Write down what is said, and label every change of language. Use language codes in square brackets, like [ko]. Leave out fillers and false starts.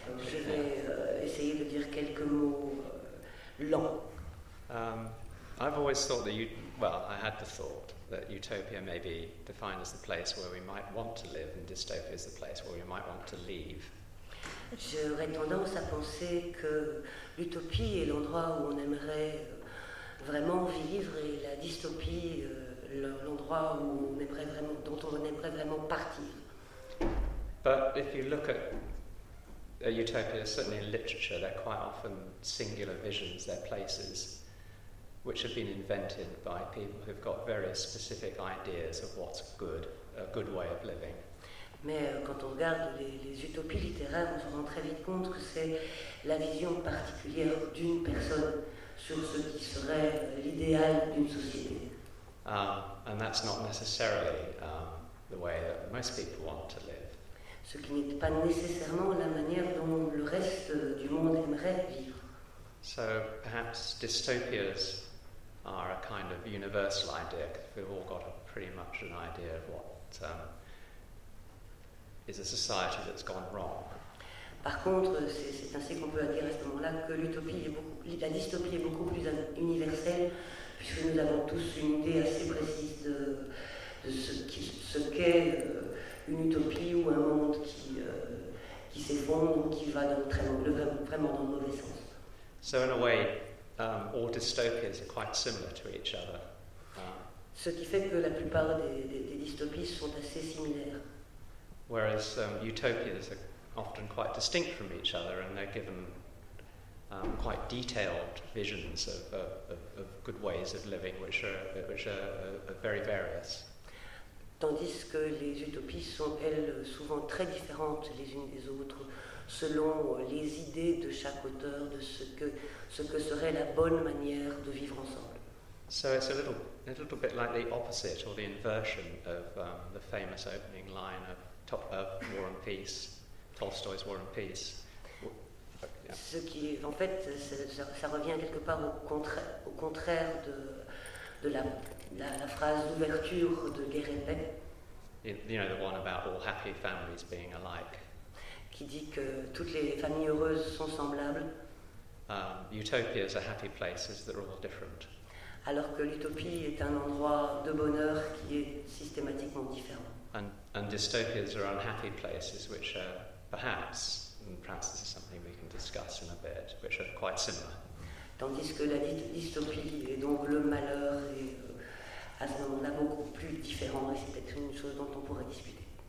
[fr] Je vais essayer de dire quelques mots lents. [en] I've always thought that I had the thought that utopia may be defined as the place where we might want to live, and dystopia is the place where we might want to leave. [fr] J'aurais tendance à penser que l'utopie est l'endroit où on aimerait vraiment vivre et la dystopie l'endroit où on aimerait vraiment, dont on aimerait vraiment partir. [en] But if you look at a utopia, certainly in literature, they're quite often singular visions, they're places which have been invented by people who've got very specific ideas of what's good, a good way of living. [fr] Mais quand on regarde les utopies littéraires, on se rend très vite compte que c'est la vision particulière d'une personne sur ce qui serait l'idéal d'une société. [en] And that's not necessarily the way that most people want to live. [fr] Ce qui n'est pas nécessairement la manière dont le reste du monde aimerait vivre. [en] So perhaps dystopias are a kind of universal idea, because we've all got pretty much an idea of what is a society that's gone wrong. [fr] Par contre, c'est ainsi qu'on peut dire à ce moment-là que la dystopie est beaucoup plus universelle, puisque nous avons tous une idée assez précise de ce qu'est une utopie ou un monde qui s'effondre ou qui va vraiment dans le mauvais sens. [en] So in a way, all dystopias are quite similar to each other. [fr] Ce qui fait que la plupart des dystopies sont assez similaires. [en] Whereas utopias are often quite distinct from each other, and they're given quite detailed visions of good ways of living, which are very various. [fr] Tandis que les utopies sont elles souvent très différentes les unes des autres, selon les idées de chaque auteur de ce que serait la bonne manière de vivre ensemble. [en] So it's a little bit like the opposite or the inversion of the famous opening line of War and Peace. Tolstoy's War and Peace. [fr] Ce qui, en fait, ça revient quelque part au contraire de la phrase d'ouverture de Guerre et Paix. [en] You know, the one about all happy families being alike. [fr] Qui dit que toutes les familles heureuses sont semblables. [en] Utopia is a happy place, is that we're all different. [fr] Alors que l'utopie est un endroit de bonheur qui est systématiquement différent. [en] And dystopias are unhappy places, which are perhaps, and perhaps this is something we can discuss in a bit, which are quite similar. [fr] Tandis que la dystopie est donc le malheur, et à ce moment-là beaucoup plus différent, et c'est peut-être une chose dont on pourrait discuter.